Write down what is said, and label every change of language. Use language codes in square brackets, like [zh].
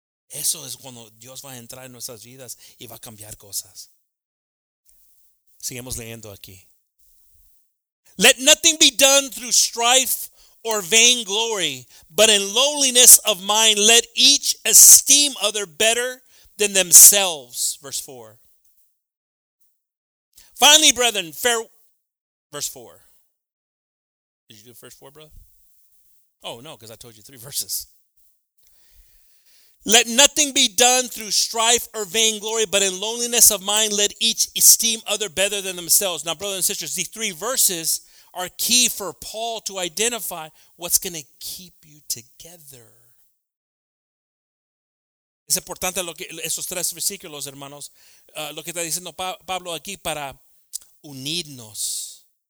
[es] Eso es cuando Dios va a entrar en nuestras vidas y va a cambiar cosas. Sigamos leyendo aquí. [en] Let nothing be done through strife or vainglory, but in lowliness of mind let each esteem other better than themselves. Verse 4. Finally, brethren, verse 4. Did you do verse 4, brother? Oh, no, because I told you three verses. Let nothing be done through strife or vainglory, but in loneliness of mind, let each esteem other better than themselves. Now, brothers and sisters, these three verses are key for Paul to identify what's going to keep you together. [es] Es importante lo que esos tres versículos, hermanos, lo que está diciendo Pablo aquí para unirnos.